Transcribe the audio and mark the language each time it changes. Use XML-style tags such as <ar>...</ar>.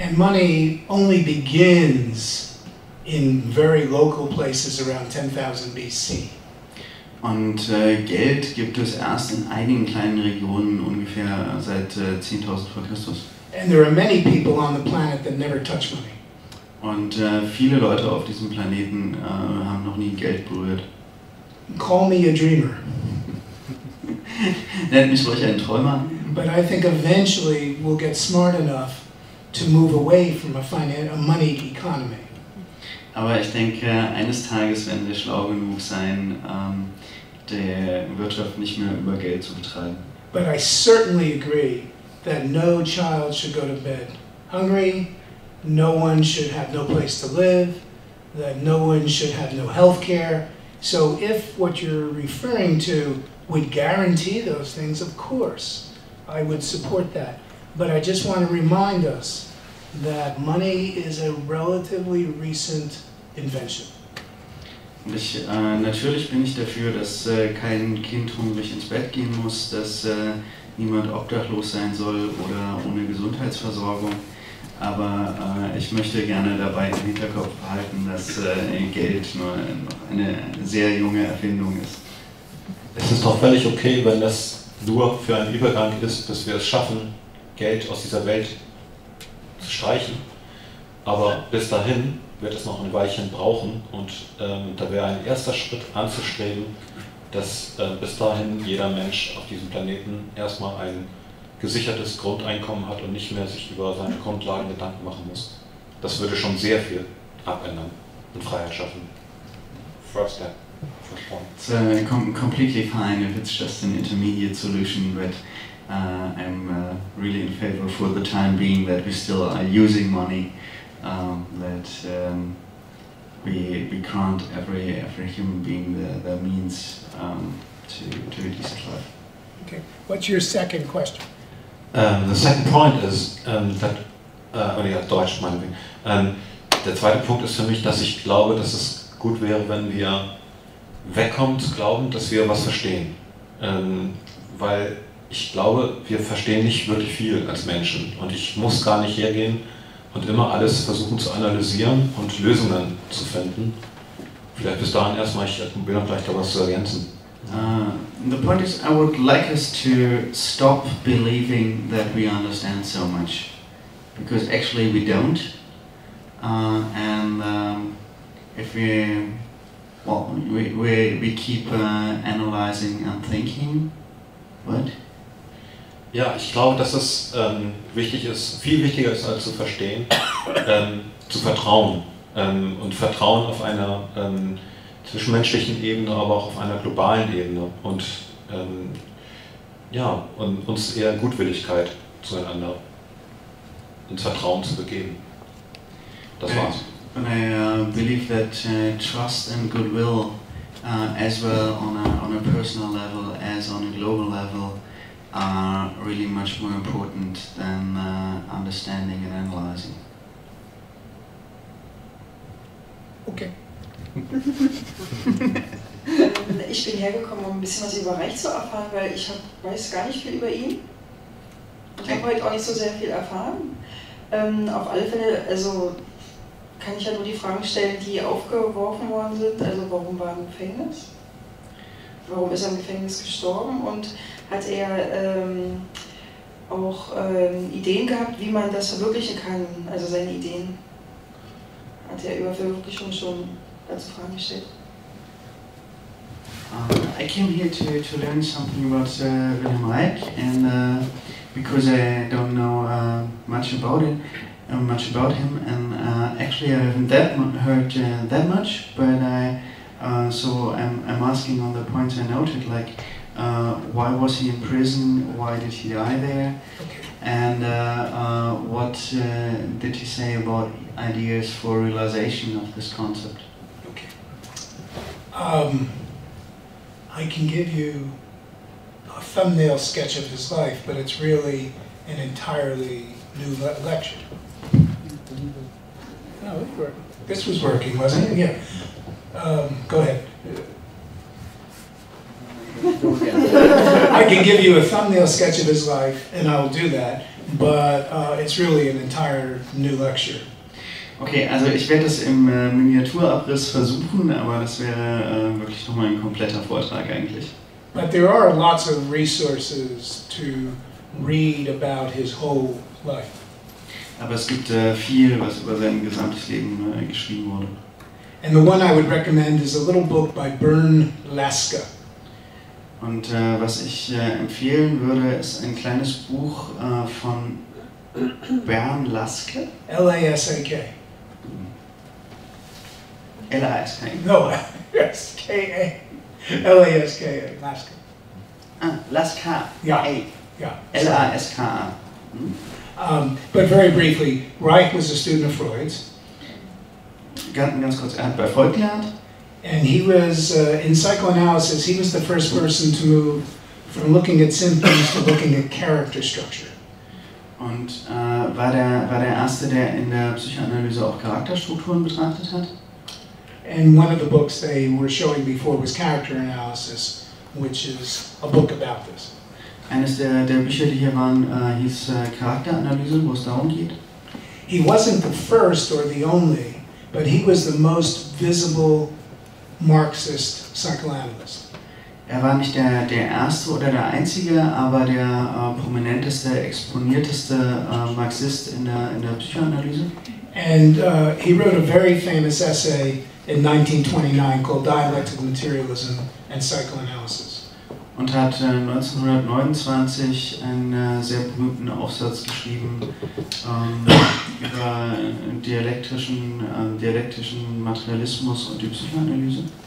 <en>And money only begins in very local places around 10,000 BC.</en> <de>Und Geld gibt es erst in einigen kleinen Regionen ungefähr seit 10.000 vor Christus.</de> <en>And there are many people on the planet that never touch money.</en> <de>Und viele Leute auf diesem Planeten haben noch nie Geld berührt.</de> <en>Call me a dreamer.</en> <de>Nennt mich ruhig einen Träumer.</de> <en>But I think eventually we'll get smart enough to move away from a money economy.</en> <de>Aber ich denke, eines Tages werden wir schlau genug sein, der Wirtschaft nicht mehr über Geld zu betreiben.</de> <en>But I certainly agree that no child should go to bed hungry, no one should have no place to live, that no one should have no health care. So if what you're referring to would guarantee those things, of course, I would support that. But I just want to remind us that money is a relatively recent invention.</en> <de>Ich, natürlich bin ich dafür, dass kein Kind hungrig ins Bett gehen muss, dass niemand obdachlos sein soll oder ohne Gesundheitsversorgung. Aber ich möchte gerne dabei im Hinterkopf behalten, dass Geld nur eine sehr junge Erfindung ist. Es ist doch völlig okay, wenn das nur für einen Übergang ist, dass wir es schaffen, Geld aus dieser Welt zu streichen. Aber bis dahin wird es noch ein Weilchen brauchen und da wäre ein erster Schritt anzustreben, dass bis dahin jeder Mensch auf diesem Planeten erstmal ein gesichertes Grundeinkommen hat und nicht mehr sich über seine Grundlagen Gedanken machen muss. Das würde schon sehr viel abändern und Freiheit schaffen.</de> <en>First step. First point. So, completely fine if it's just an intermediate solution, but I'm really in favor for the time being that we still are using money, that we grant every human being the means to a decent life. Okay. What's your second question? The second point is that,</en> <de>ja, Deutsch meinetwegen. Der zweite Punkt ist für mich, dass ich glaube, dass es gut wäre, wenn wir wegkommen zu glauben, dass wir was verstehen. Weil ich glaube, wir verstehen nicht wirklich viel als Menschen. Und ich muss gar nicht hergehen und immer alles versuchen zu analysieren und Lösungen zu finden. Vielleicht bis dahin erstmal, ich probiere noch gleich da was zu ergänzen.</de> <en>The point is, I would like us to stop believing that we understand so much, because actually we don't. And if we keep analyzing and thinking, what?</en> <de>Ja, ich glaube, dass es wichtig ist, viel wichtiger ist als zu verstehen, zu vertrauen und Vertrauen auf einer zwischenmenschlichen Ebene, aber auch auf einer globalen Ebene und ja, und uns eher Gutwilligkeit zueinander ins Vertrauen zu begeben. Das war's.</de> <en>And I believe that trust and goodwill, as well on a personal level as on a global level, are really much more important than understanding and analyzing. Okay.</en> <de>Ich bin hergekommen, um ein bisschen was über Reich zu erfahren, weil ich weiß gar nicht viel über ihn. Ich habe heute auch nicht so sehr viel erfahren. Auf alle Fälle, also kann ich ja nur die Fragen stellen, die aufgeworfen worden sind. Also warum war er im Gefängnis? Warum ist er im Gefängnis gestorben? Und hat er auch Ideen gehabt, wie man das verwirklichen kann? Also seine Ideen? Hat er über Verwirklichung schon dazu Fragen gestellt?</de> <en>I came here to learn something about Wilhelm Reich, and because I don't know much about it, much about him, and actually I haven't heard that much, but I so I'm asking on the points I noted, like why was he in prison, why did he die there, and what did he say about ideas for realization of this concept? Okay. I can give you a thumbnail sketch of his life, but it's really an entirely new lecture. No, it worked. This was working, wasn't it? Yeah. Go ahead. I can give you a thumbnail sketch of his life, and I'll do that, but it's really an entire new lecture.</en> <de>Okay, also ich werde das im Miniaturabriss versuchen, aber das wäre wirklich nochmal ein kompletter Vortrag eigentlich.</de> <en>But there are lots of resources to read about his whole life.</en> <de>Aber es gibt viel, was über sein gesamtes Leben geschrieben wurde.</de> <en>And the one I would recommend is a little book by Bernd Lasker.</en> <de>Und was ich empfehlen würde, ist ein kleines Buch von Bernd Lasker.</de> <en>L-A-S-A-K. L-A-S-K-A. No, S-K-A. L-A-S-K-A. Laska. Laska. Yeah. A. Yeah. L-A-S-K-A. Mm. But very briefly, Reich was a student of Freud's.</en> <de>Ganz kurz, er hat bei Freud gelernt.</de> <en>And he was, in psychoanalysis, he was the first person to move from looking at symptoms to looking at character structure.</en> <de>Und war der Erste, der in der Psychoanalyse auch Charakterstrukturen betrachtet hat?</de> <en>And one of the books they were showing before was Character Analysis, which is a book about this.</en> <de>Eines der Bücher, die hier waren, hieß Charakteranalyse, wo es darum geht.</de> <en>He wasn't the first or the only, but he was the most visible Marxist psychoanalyst.</en> <de>Er war nicht der Erste oder der Einzige, aber der prominenteste, exponierteste Marxist in der Psychoanalyse.</de> <en>And he wrote a very famous essay in 1929 called Dialectical Materialism and Psychoanalysis.</en> <de>Und hat 1929 einen sehr berühmten Aufsatz geschrieben über dialektischen Materialismus und die Psychoanalyse.</de>